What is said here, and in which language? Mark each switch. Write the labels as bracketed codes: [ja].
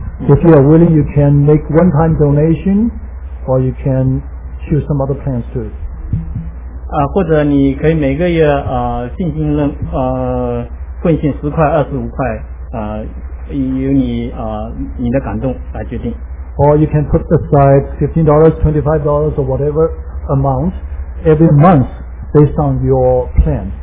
[en] If you are willing, you can make one-time donation, or you can choose some other plans too. [zh] 或者你可以每个月现金奉献10块、25块，由你的感动来决定。 [en] Or you can put aside $15, $25, or whatever amount every month based on your plan.